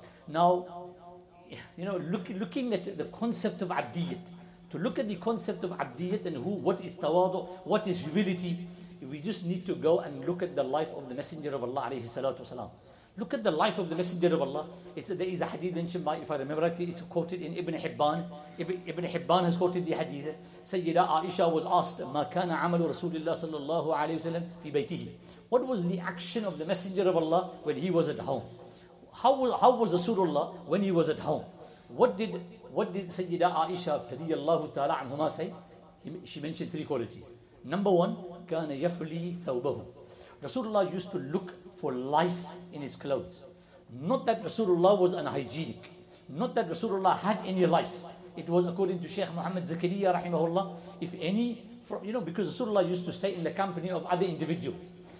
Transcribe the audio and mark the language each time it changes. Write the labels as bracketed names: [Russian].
[English] Now, you know, looking at the concept of abdiyat, to look at the concept of abdiyat and who, what is tawadu, what is humility, we just need to go and look at the life of the Messenger of Allah alayhi salatu wasalam. Look at the life of the Messenger of Allah. There is a hadith mentioned by, if I remember rightly, it's quoted in Ibn Hibban. Ibn Hibban has quoted the hadith. [Arabic] Sayyida Aisha was asked, مَا كَانَ عَمَلُ رَسُولِ اللَّهِ صَلَى اللَّهُ عَلَيْهِ وَسَلَمْ فِي بَيْتِهِ. [English] What was the action of the Messenger of Allah when he was at home? How was Rasulullah when he was at home? What did Sayyida Aisha radiyallahu ta'ala anhuma say? She mentioned three qualities. [Arabic] Number one, كَانَ يَفْلِي ثَوْبَهُ. [English] Rasulullah used to look for lice in his clothes. Not that Rasulullah was unhygienic. Not that Rasulullah had any lice. It was according to Shaykh Muhammad Zakariya rahimahullah, if any, because Rasulullah used to stay in the company of other individuals.